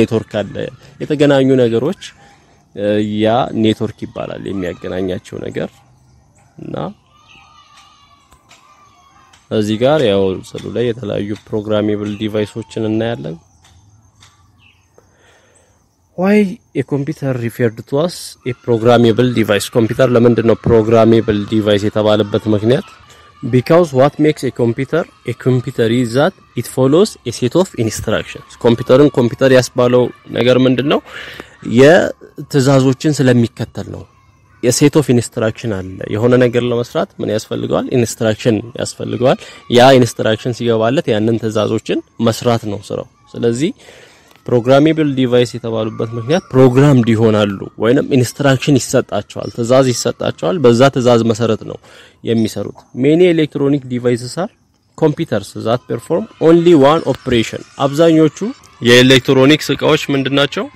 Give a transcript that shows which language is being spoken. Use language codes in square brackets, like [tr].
[am] ኔትወርክ አለ። የተገናኙ ነገሮች ያ ኔትወርክ ይባላል፣ የሚያገናኛቸው ነገር እና እዚህ ጋር ያው ስሉ ላይ የተለያዩ ፕሮግራሜብል ዲቫይሶችን እናያለን። [en] why a computer referred to us a programmable device? [am] ኮምፒውተር ለምንድን ነው ፕሮግራሜብል ዲቫይስ የተባለበት ምክንያት? [en] because what makes a computer is that it follows a set of instructions. [am] ኮምፒውተርን ኮምፒውተር ያስባለው ነገር ምንድነው? የትዕዛዞችን ስለሚከተል ነው። የሴት ኦፍ ኢንስትራክሽን አለ። የሆነ ነገር ለመስራት ምን ያስፈልገዋል? ኢንስትራክሽን ያስፈልገዋል። ያ ኢንስትራክሽን ሲገባለት ያንን ትዕዛዞችን መስራት ነው ስራው። ስለዚህ ፕሮግራሜብል ዲቫይስ የተባሉበት ምክንያት ፕሮግራም ይሆናሉ ወይንም ኢንስትራክሽን ይሰጣቸዋል፣ ትዕዛዝ ይሰጣቸዋል። በዛ ትዕዛዝ መሰረት ነው የሚሰሩት። [en] ሜኒ ኤሌክትሮኒክ ዲቫይስስ አር ኮምፒውተርስ ዛት ፐርፎርም ኦንሊ ዋን ኦፕሬሽን። [am] አብዛኞቹ የኤሌክትሮኒክስ እቃዎች ምንድናቸው?